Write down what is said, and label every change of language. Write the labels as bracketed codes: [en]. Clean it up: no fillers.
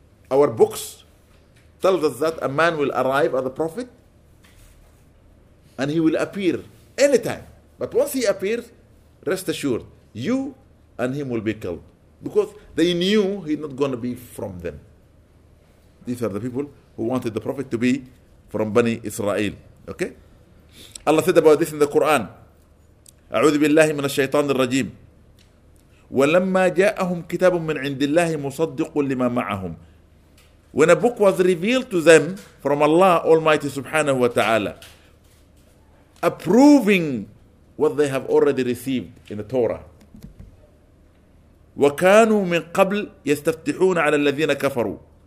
[en] Our books tell us that a man will arrive as a prophet and he will appear anytime. But once he appears, rest assured, you and him will be killed. Because they knew he's not going to be from them. These are the people who wanted the Prophet to be from Bani Israel. Okay? Allah said about this in the Quran. [ar] أعوذ بالله من الشيطان الرجيم. ولما جاءهم كتاب من عند الله مصدق لما معهم. [en] When a book was revealed to them from Allah Almighty Subhanahu wa Ta'ala, approving what they have already received in the Torah. [ar] وَكَانُوا مِنْ قَبْلِ يَسْتَفْتِحُونَ عَلَى الَّذِينَ كَفَرُوا.